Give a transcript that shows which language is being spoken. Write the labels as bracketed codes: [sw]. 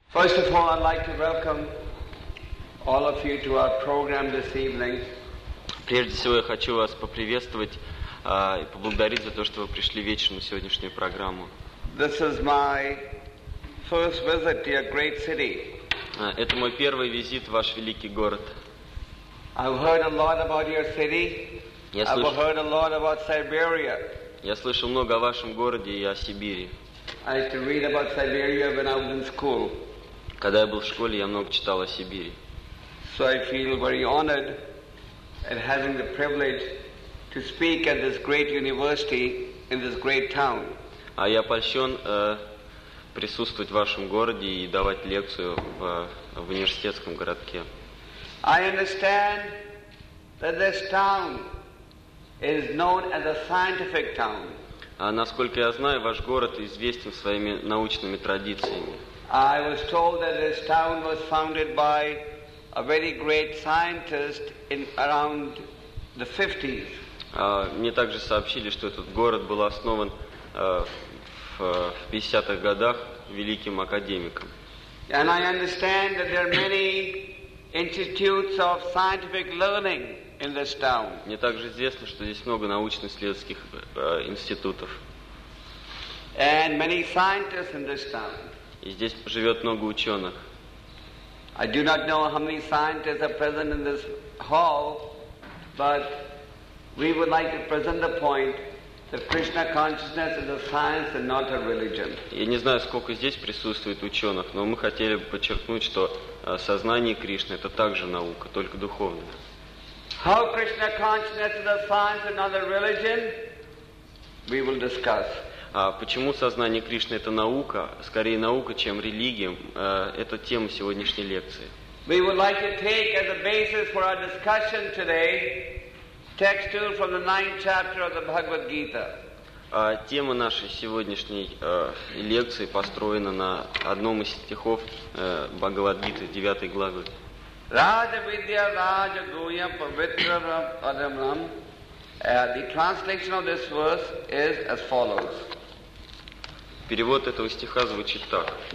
[en] First of all, I'd like to welcome all of you to our program this evening. [ru] Прежде всего, я хочу вас поприветствовать и поблагодарить за то, что вы пришли вечером на сегодняшнюю программу. [en] This is my first visit to your great city. [ru] Это мой первый визит в ваш великий город. [en] I've heard a lot about your city. I've heard a lot about Siberia. [ru] Я слышал много о вашем городе и о Сибири. [en] I used to read about Siberia when I was in school. [ru] Когда я был в школе, я много читал о Сибири. [en] So I feel very honored at having the privilege to speak at this great university in this great town. [ru] А я польщен присутствовать в вашем городе и давать лекцию в университетском городке. [en] I understand that this town is known as a scientific town. [ru] А насколько я знаю, ваш город известен своими научными традициями. [en] I was told that this town was founded by a very great scientist in around the 50s. [ru] Мне также сообщили, что этот город был основан в 50-х годах великим академиком. [en] And I understand that there are many institutes of scientific learning in this town. [ru] Мне также известно, что здесь много научно-исследовательских институтов. [en] And many scientists in this town. [ru] И здесь живет много ученых. [en] I do not know how many scientists are present in this hall, but we would like to present the point that Krishna consciousness is a science and not a religion. [ru] Я не знаю, сколько здесь присутствует ученых, но мы хотели бы подчеркнуть, что сознание Кришны — это также наука, только духовная. [en] How Krishna consciousness is a science and not a religion, we will discuss. [ru] А почему сознание Кришны — это наука, скорее наука, чем религия, это тема сегодняшней лекции. [en] We would like to take as a basis for our discussion today textual from the 9th chapter of the Bhagavad Gita. [ru] Тема нашей сегодняшней лекции построена на одном из стихов Бхагавад-гиты, 9 главы. [sa] Raja Vidya Raja Guya Pavitra Adamram. [en] The translation of this verse is as follows. [ru] Перевод этого стиха звучит так.